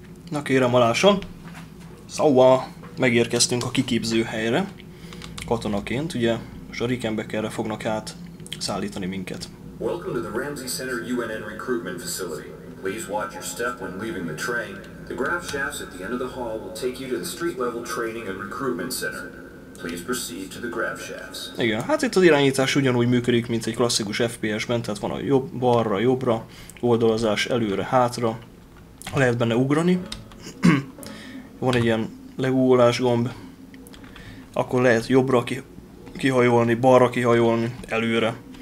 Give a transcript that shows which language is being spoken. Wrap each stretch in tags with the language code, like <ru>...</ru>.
<hu>Na kérem Aláson, szóval megérkeztünk a kiképző helyre katonaként, ugye most a Rickenbackerre fognak át szállítani minket.</hu> <en>Welcome to the Ramsey Center UNN recruitment facility. Please watch your step when leaving the train. The grav shafts at the end of the hall will take you to the street level training and recruitment center. Please proceed to the grav shafts.</en> <hu>Igen, hát itt az irányítás ugyanúgy működik, mint egy klasszikus FPS-ben, tehát van a jobb, balra, jobbra, oldalazás, előre, hátra. Lehet benne ugrani. Van egy ilyen legugolás gomb. Akkor lehet jobbra kihajolni, balra kihajolni, előre.</hu>